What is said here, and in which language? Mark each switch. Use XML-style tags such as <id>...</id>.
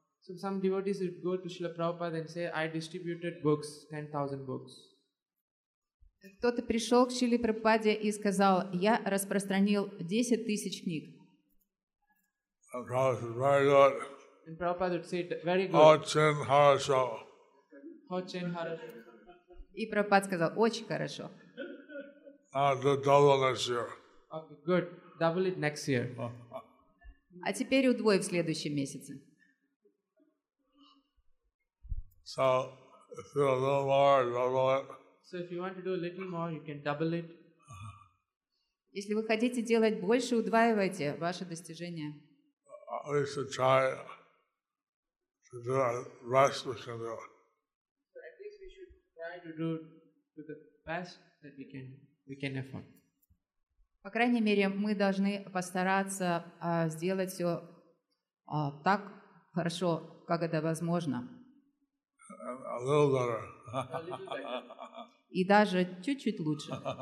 <en>So some devotees would go to Srila Prabhupada and say, I distributed books, 10,000 books.</en> <ru>Кто-то пришел к Шриле Прабхупаде и сказал, я распространил 10,000 книг.</ru> <en>And Prabhupada said, very good. And Prabhupada would say, very good.</en> <ru>Очень хорошо. Очень хорошо. И Прабхупада сказал, очень хорошо.</ru> <en>I'll do double next year. Okay, good. Double it next year.</en> <ru>А теперь удвой в следующем месяце.</ru> <en>So, if you want to do more, double it. So, if you want to do a little more, you can double it.</en> <ru>Если вы хотите делать больше, удваивайте ваши достижения.</ru> <en>I used to try to do the best we can do. So at least we should try to do to the best that we can afford.</en> <ru>По крайней мере, мы должны постараться сделать все так хорошо, как это возможно.</ru> <en>A little better.</en> <ru>И даже чуть-чуть лучше.</ru>